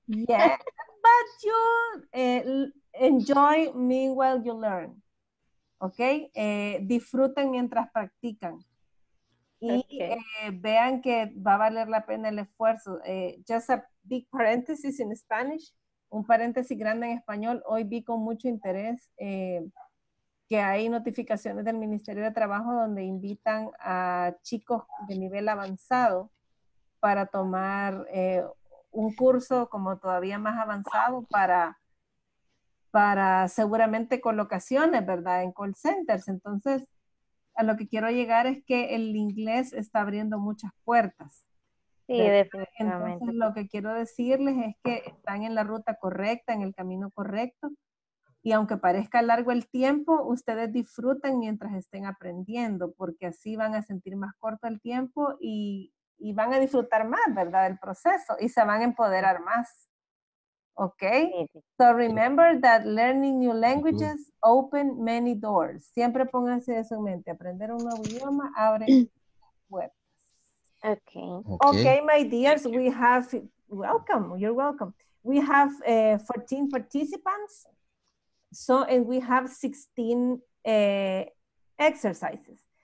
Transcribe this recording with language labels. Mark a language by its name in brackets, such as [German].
[English] Yeah. But you enjoy me while you learn. [Spanish] ¿Ok? Disfruten mientras practican. Y vean que va a valer la pena el esfuerzo. [English] Just a big parenthesis in Spanish. [Spanish] Un paréntesis grande en español. Hoy vi con mucho interés que hay notificaciones del Ministerio de Trabajo donde invitan a chicos de nivel avanzado para tomar un curso como todavía más avanzado para seguramente colocaciones, ¿verdad? En call centers. Entonces, a lo que quiero llegar es que el inglés está abriendo muchas puertas. Sí, ¿verdad? Definitivamente. Entonces, lo que quiero decirles es que están en la ruta correcta, en el camino correcto, y aunque parezca largo el tiempo, ustedes disfruten mientras estén aprendiendo, porque así van a sentir más corto el tiempo y van a disfrutar más, ¿verdad? El proceso, y se van a empoderar más. [English] Okay, so remember that learning new languages open many doors. [Spanish] Siempre pónganse eso en mente. Aprender un nuevo idioma abre puertas. [English] Okay, my dears, we have, welcome, you're welcome. We have 14 participants, so, and we have 16 exercises.